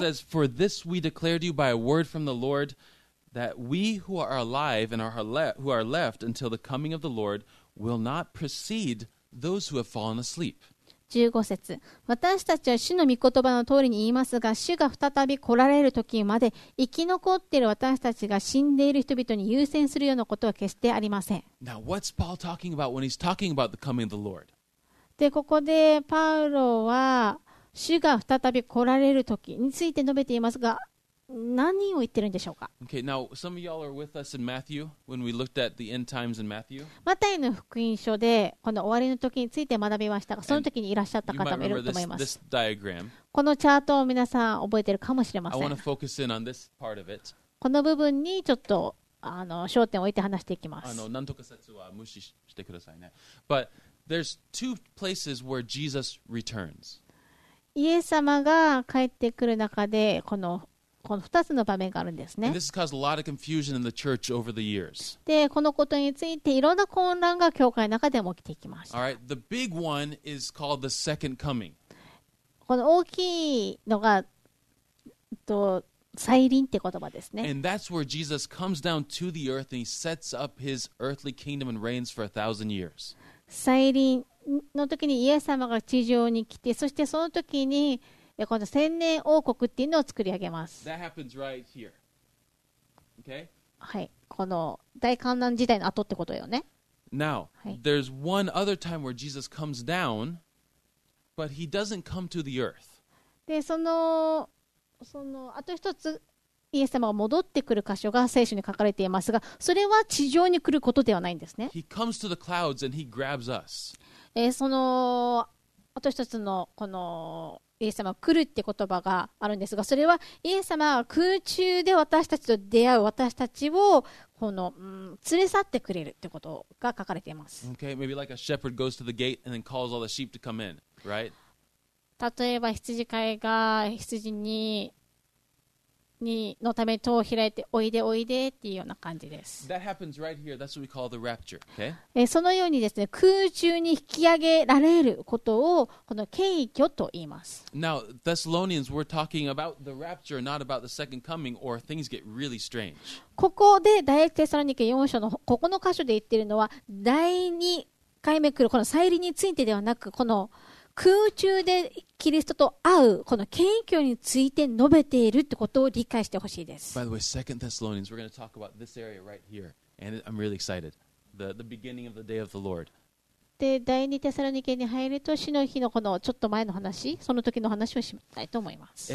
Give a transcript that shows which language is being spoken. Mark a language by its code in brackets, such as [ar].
[en] Paul says, "For this we declare to you by a word from the Lord, that we who are alive and who are left until the coming of the Lord will not precede those who have fallen asleep." [ja] 15節、私たちは主の御言葉の通りに言いますが、主が再び来られる時まで生き残っている私たちが死んでいる人々に優先するようなことは決してありません。 [en] Now, what's Paul talking about when he's talking about the coming of the Lord? [ja] で、ここでパウロは主が再び来られる時について述べていますが、何を言ってるんでしょうか? [en] Okay, now some of y'all are with us in Matthew when we looked at the end times in Matthew. [ja] マタイの福音書でこの終わりの時について学びましたが、その時にいらっしゃった方もいると思います。 [en] This diagram. [ja] このチャートを皆さん覚えてるかもしれません。 [en] I want to focus in on this part of it. [ja] この部分にちょっと焦点を置いて話していきます。なんとか説は無視してくださいね。 [en] But there's two places where Jesus returns. [ja] イエス様が帰ってくる中でこの2つの場面があるんですね。 [en] And this has caused a lot of confusion in the church over the years. [ja] で、このことについていろんな混乱が教会の中でも起きていきました。 [en] All right, the big one is called the second coming. [ja] この大きいのが再臨って言葉ですね。 [en] And that's where Jesus comes down to the earth and he sets up his earthly kingdom and reigns for 1,000 years. [ja] 再臨の時にイエス様が地上に来て、そしてその時にこの千年王国っていうのを作り上げます。 [en] That happens right here. Okay. [ja] はい、この大観覧時代の後ってことよね。 [en] Now,、はい、there's one other time where Jesus comes down, but he doesn't come to the earth. [ja] で、その、あと一つ、イエス様が戻ってくる箇所が聖書に書かれていますが、それは地上に来ることではないんですね。 [en] He comes to the clouds and he grabs us. [ja] その、あと一つのこの、イエス様が来るって言葉があるんですが、それはイエス様が空中で私たちと出会う私たちをこの、連れ去ってくれるってことが書かれています。 [en] Okay, maybe like a shepherd goes to the gate and then calls all the sheep to come in, right? [ja] 例えば羊飼いが羊 にのため戸を開いておいでおいでっていうような感じです。 [en] That happens right here. That's what we call the rapture. Okay? [ja] そのようにですね、空中に引き上げられることをこの景挙と言います。 [en] Now, Thessalonians, we're talking about the rapture, not about the second coming, or things get really strange. [ja] ここで第一テサロニケ4章のここの箇所で言ってるのは、第二回目来るこの再臨についてではなく、この空中でキリストと会うこの謙虚について述べているってことを理解してほしいです。 [en] By the way, 2 Thessalonians, we're going to talk about this area right here, and I'm really excited. The beginning of the day of the Lord. [ja] で、第二テサロニケに入ると死の日のこのちょっと前の話、その時の話をしたいと思います。